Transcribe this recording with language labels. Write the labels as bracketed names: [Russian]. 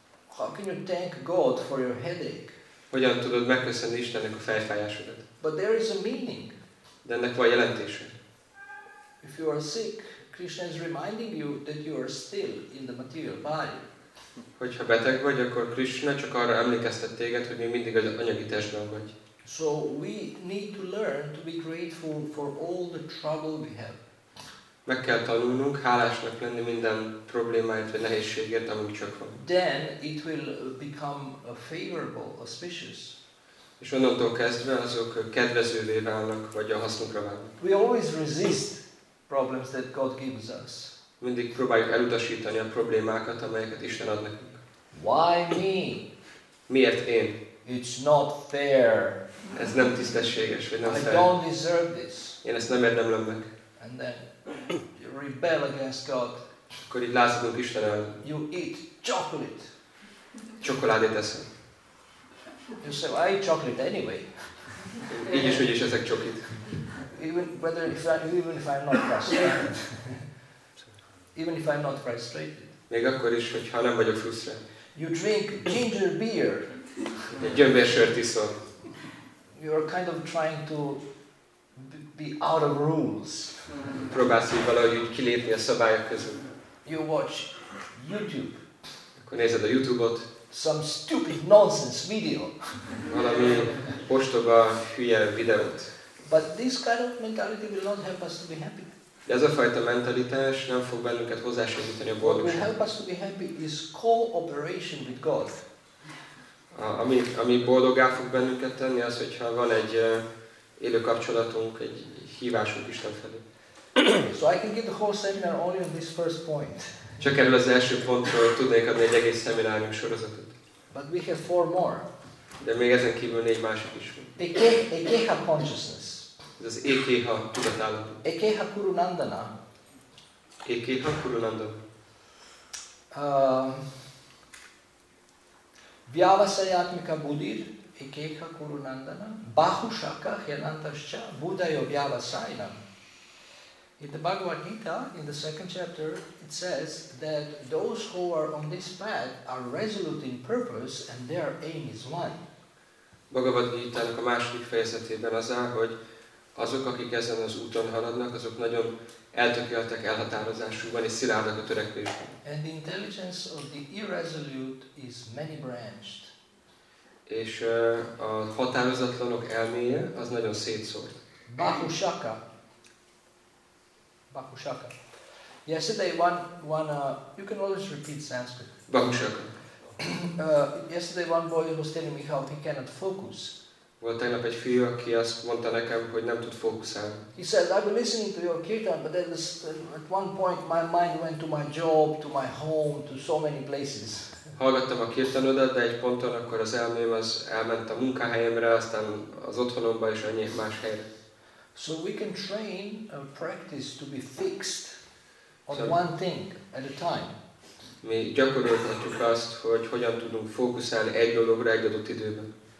[English] How can you thank God for your headache? [Hungarian] Hogyan tudod megköszönni Istennek a fejfájásodat? [English] But there is a meaning. [Hungarian] De ennek van jelentése. [English] If you are sick, Krishna is reminding you that you are still in the material body. [Hungarian] Hogyha beteg vagy, akkor Krishna csak arra emlékeztet téged, hogy még mindig az anyagi testben vagy. [English] So we need to learn to be grateful for all the trouble we have. [Hungarian] Meg kell tanulnunk hálásnak lenni minden problémáért vagy nehézségért, amik csak van. [English] Then it will become a favorable, auspicious. [Hungarian] És onnantól kezdve azok kedvezővé válnak, vagy a hasznunkra válnak. [English] We always resist problems that God gives us. [Hungarian] Mindig próbáljuk elutasítani a problémákat, amelyeket Isten ad nekünk. [English] Why me? [Hungarian] Miért én? [English] It's not fair. [Hungarian] Ez nem tisztességes, vagy nem fair. [English] I don't deserve this. [Hungarian] Én ezt nem érdemlem meg. [English] And then you rebel against God. [Hungarian] Akkor így lázadunk Istenel. [English] You eat chocolate. [Hungarian] Csokoládét eszem. [English] You say, well, I eat chocolate anyway. [Hungarian] Így is, úgy is ezek csokit. [English] Even if I'm not frustrated. [Hungarian] Még akkor is, hogyha nem vagyok frusztrált. [English] You drink ginger beer. [Hungarian] Egy gyömbérsört iszol. [English] You are kind of trying to be out of rules. [Hungarian] Próbálsz így valahogy kilépni a szabályok közül. [English] You watch YouTube. [Hungarian] Akkor nézed a YouTube-ot. [English] Some stupid nonsense video. [Hungarian] Valami ostoba hülye videót. [English] But this kind of mentality will not help us to be happy. [Hungarian] De ez a fajta mentalitás nem fog bennünket hozzásegíteni a boldogságra. [English] What will help us to be happy is cooperation with God. [Hungarian] Ami boldoggá fog bennünket tenni, az, hogyha van egy élő kapcsolatunk, egy hívásunk Isten felé. [English] So I can give the whole seminar only on this first point. [Hungarian] Csak erről az első pontról tudnék adni egy egész szeminárium sorozatot. [English] But we have four more. [Hungarian] De még ezen kívül négy másik is van. [English] Ekeha consciousness. [Hungarian] Ez az ekeha tudatállapot. [Sanskrit] Ekeha kurunandana. Ekeha kurunandana. Vyavasayatmika buddhir, ekeha kurunandana. Bahushaka hyanantascha buddhayo vyavasayanam. [English] In the Bhagavad Gita, in the second chapter, it says that those who are on this path are resolute in purpose and their aim is one. [Hungarian] Bhagavad Gita-nak a második fejezetében az áll, hogy azok, akik ezen az úton haladnak, azok nagyon eltökéltek elhatározásukban és szilárdak a törekvésben. [English] And the intelligence of the irresolute is many branched. [Hungarian] És a határozatlanok elméje az nagyon szétszórt. [Sanskrit] Bahushaka. Bahushaka. [English] Yesterday you can always repeat Sanskrit. [Sanskrit] Bahushaka. [English] Yesterday one boy was telling me how he cannot focus. [Hungarian] Volt tegnap egy fiú, aki azt mondta nekem, hogy nem tud fókuszálni. [English] He said, I've been listening to your kirtan, but at one point my mind went to my job, to my home, to so many places. [Hungarian] Hallgattam a kirtanodat, de egy ponton akkor az elmém az elment a munkahelyemre, aztán az otthonomba és annyi más helyre. [English] So we can train and practice to be fixed on one thing at a time. [Hungarian] Mi gyakorolhatjuk azt, hogy hogyan tudunk fókuszálni egy dologra egy adott időben.